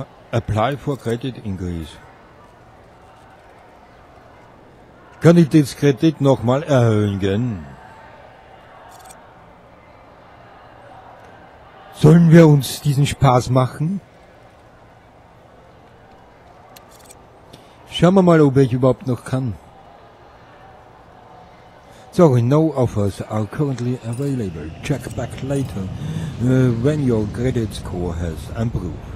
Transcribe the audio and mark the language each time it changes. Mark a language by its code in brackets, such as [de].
[en] Apply for credit in Greece. [de] Kann ich das Kredit nochmal erhöhen gehen? Sollen wir uns diesen Spaß machen? Schauen wir mal, ob ich überhaupt noch kann. [en] Sorry, no offers are currently available. Check back later, when your credit score has improved.